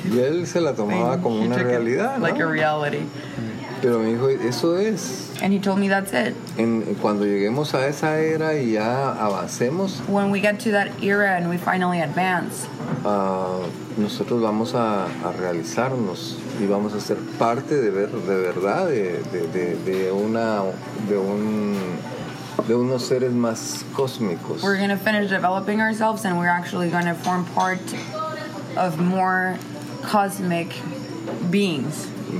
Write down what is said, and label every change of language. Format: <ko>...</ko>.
<es>Y él se la tomaba como una realidad, ¿no?</es> <en>Like a reality.</en> <es>Pero me dijo, eso es.</es> <en>And he told me that's it.</en> <es>En cuando lleguemos a esa era y ya avancemos.</es> <en>When we get to that era and we finally advance.</en> <es>Nosotros vamos a realizarnos y vamos a ser parte de ver de verdad de unos seres más cósmicos.</es> <en>We're gonna finish developing ourselves and we're actually gonna form part of more cosmic beings.</en>